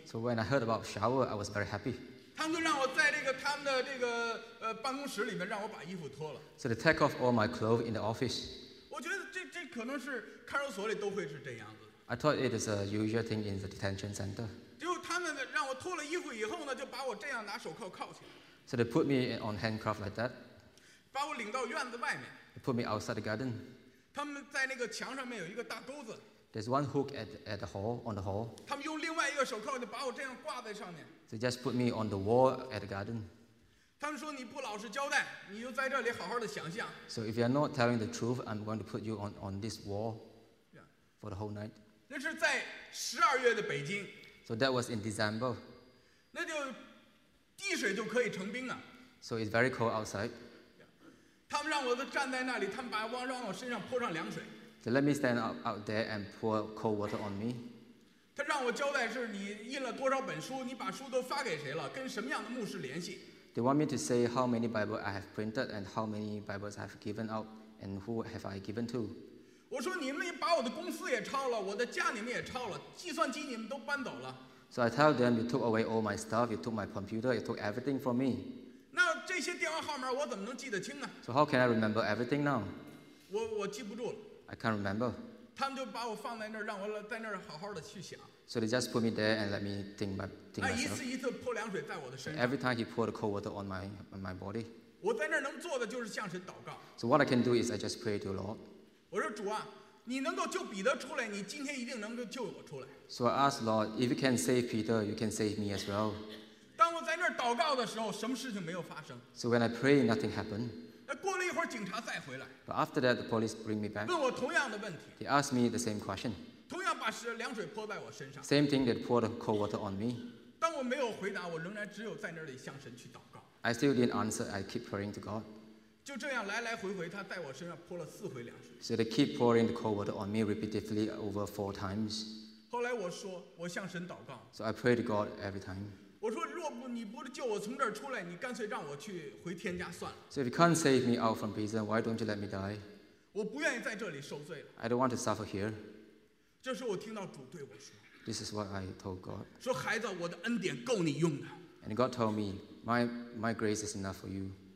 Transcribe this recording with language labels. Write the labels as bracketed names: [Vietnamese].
[English] So when I heard about shower, I was very happy. [Chinese] 他们就让我在这个他们的这个办公室里面，让我把衣服脱了。 [English] So they take off all my clothes in the office. [Chinese] 我觉得这可能是看守所里都会是这样子。 [English] I thought it is a usual thing in the detention center. [Chinese] 就他们让我脱了衣服以后呢，就把我这样拿手铐铐起来。 [English] So they put me on handcuff like that. [Chinese] 把我领到院子外面。 [English] They put me outside the garden. [Chinese] 他们在那个墙上面有一个大钩子。 [English] There's one hook at the hall on the hall. [Chinese] 他们用另外一个手铐就把我这样挂在上面。 [English] They just put me on the wall at the garden. [Chinese] 他们说你不老实交代，你就在这里好好的想象。 [English] So if you're not telling the truth, I'm going to put you on this wall for the whole night. [Chinese] 那是在12月的北京。 [English] So that was in December. [Chinese] 那就滴水就可以成冰啊。 [English] So it's very cold outside. [Chinese] 他们让我站在那里，他们把往让我身上泼上凉水。 [English] They let me stand out there and pour cold water on me. [Chinese] 他让我交代是你印了多少本书，你把书都发给谁了，跟什么样的牧师联系。 [English] They want me to say how many Bibles I have printed and how many Bibles I have given out and who have I given to. [Chinese] 我说你们把我的公司也抄了，我的家你们也抄了，计算机你们都搬走了。 [English] So I tell them you took away all my stuff, you took my computer, you took everything from me. [Chinese] 这些电话号码我怎么能记得清呢 [English] ？So how can I remember everything now？ [Chinese] 我记不住了。 [English] I can't remember。 [Chinese] 他们就把我放在那儿，让我在那儿好好的去想。 [English] So they just put me there and let me think myself。 [Chinese] 一次一次泼凉水在我的身上。 [English] Every time he poured cold water on my body。 [Chinese] 我在那儿能做的就是向神祷告。 [English] So what I can do is I just pray to the Lord。 [Chinese] 我说主啊，你能够救彼得出来，你今天一定能够救我出来。 [English] So I ask Lord, if you can save Peter, you can save me as well。 [Chinese] 当我在那儿祷告的时候，什么事情没有发生 [English] ？So when I pray, nothing happened. [Chinese] 过了一会儿，警察再回来。 [English] But after that, the police bring me back. [Chinese] 问我同样的问题。 [English] They ask me the same question. [Chinese] 同样把凉水泼在我身上。 [English] Same thing, they poured cold water on me. [Chinese] 当我没有回答，我仍然只有在那里向神去祷告。 [English] I still didn't answer. I keep praying to God. [Chinese] 就这样来来回回，他在我身上泼了四回凉水。 [English] So they keep pouring the cold water on me repeatedly over 4 times. [Chinese] 后来我说，我向神祷告。 [English] So I pray to God every time. [Chinese] 我说若不你不救我从这儿出来，你干脆让我去回天家算了。 [English] So if you can't save me out from prison, why don't you let me die? [Chinese] 我不愿意在这里受罪了。 [English] I don't want to suffer here. [Chinese] 这时我听到主对我说。 [English] This is what I told God. [Chinese] 说孩子，我的恩典够你用的。 [English] And God told me, my grace is enough for you.